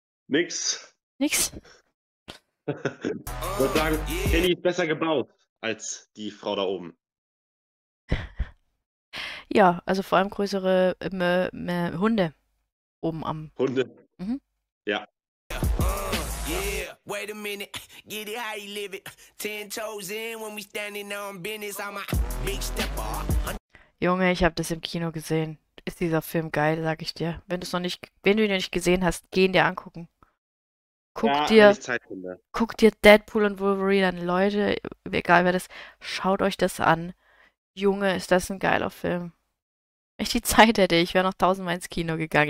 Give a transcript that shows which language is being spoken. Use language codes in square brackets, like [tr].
[de] Nix. Ich würde sagen, Kenny ist besser gebaut als die Frau da oben. Ja, also vor allem größere Hunde oben am... Hunde? Mhm. Ja. [en] Wait a minute, get it how you live it. 10 toes in when we standing on business. I'm a big stepper. [de] Junge, ich hab das im Kino gesehen. ist dieser Film geil, sag ich dir. Wenn du es noch nicht, wenn du ihn noch nicht gesehen hast, geh ihn dir angucken. Guck Ja, wenn ich dir Zeit finde. Deadpool und Wolverine an, Leute, egal wer das, schaut euch das an. Junge, ist das ein geiler Film. Wenn ich die Zeit hätte, ich wäre noch tausendmal ins Kino gegangen.